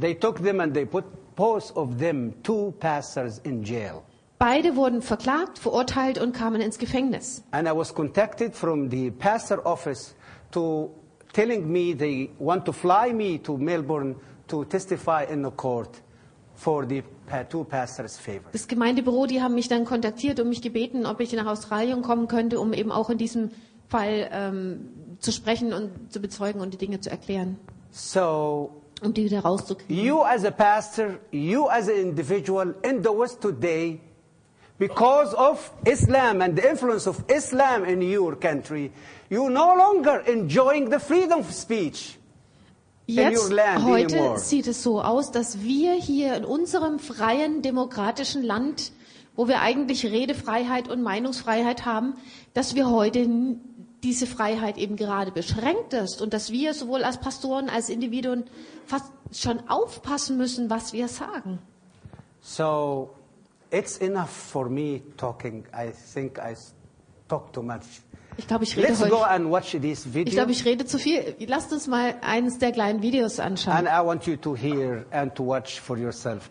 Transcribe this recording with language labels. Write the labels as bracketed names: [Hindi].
[English] They took them and they put both of them, two pastors, in jail. [German] Beide wurden verklagt, verurteilt und kamen ins Gefängnis. [English] And I was contacted from the pastor office to telling me they want to fly me to Melbourne to testify in the court for the two pastors' favor. [German] Das Gemeindebüro, die haben mich dann kontaktiert und mich gebeten, ob ich nach Australien kommen könnte, um eben auch in diesem Fall zu sprechen und zu bezeugen und die Dinge zu erklären. [English] So, [German] um die wieder rauszukriegen. [English] You as a pastor, you as an individual in the West today, because of Islam and the influence of Islam in your country, you no longer enjoying the freedom of speech. [German] Jetzt, heute sieht es so aus, dass wir hier in unserem freien, demokratischen Land, wo wir eigentlich Redefreiheit und Meinungsfreiheit haben, dass wir heute diese Freiheit eben gerade beschränkt ist und dass wir sowohl als Pastoren als Individuen fast schon aufpassen müssen, was wir sagen. [English] So, it's enough for me talking. I think I talk too much. [German] Ich glaube, ich rede [English] Let's go and watch this video. [German] Ich glaube, ich rede zu viel. Lasst uns mal eines der kleinen Videos anschauen. [English] And I want you to hear and to watch for yourself.